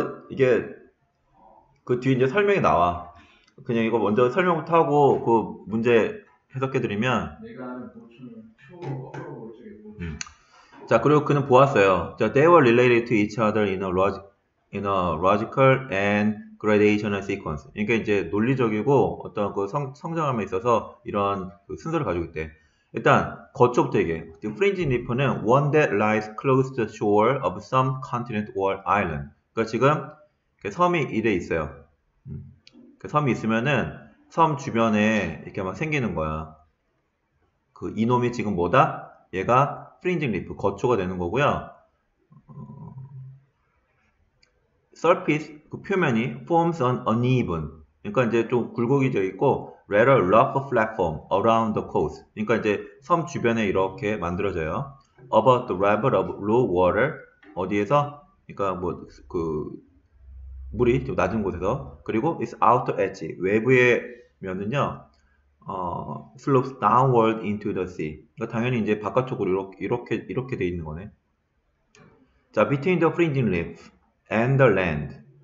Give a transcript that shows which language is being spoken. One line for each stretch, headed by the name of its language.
Korean: 이게, 그 뒤에 이제 설명이 나와. 그냥 이거 먼저 설명부터 하고, 그 문제 해석해드리면. 내가 하는 자, 그리고 그는 보았어요.
English: 자, they were related to each other in a logical and gradational sequence.
Korean: 이게 이제 논리적이고, 어떤 그 성장함에 있어서 이러한 그 순서를 가지고 있대. 일단, 거초부터 얘기해.
English: The fringing reef는 one that lies close to the shore of some continent or island.
Korean: 그러니까 지금 섬이 이래 있어요. 섬이 있으면은 섬 주변에 이렇게 막 생기는 거야. 그 이놈이 지금 뭐다? 얘가 프린징 리프, 거초가 되는 거고요.
English: surface
Korean: 그 표면이
English: forms an uneven.
Korean: 그러니까 이제 좀 굴곡이져 있고
English: rather rough platform around the coast.
Korean: 그러니까 이제 섬 주변에 이렇게 만들어져요.
English: About the level of low water
Korean: 어디에서? 그러니까 뭐 그 물이 좀 낮은 곳에서 그리고
English: its outer edge
Korean: 외부에 면은요
English: slopes downward into the sea.
Korean: 그러니까 당연히 이제 바깥쪽으로 이렇게 돼 있는 거네.
English: 자, between the fringing leaf and the land.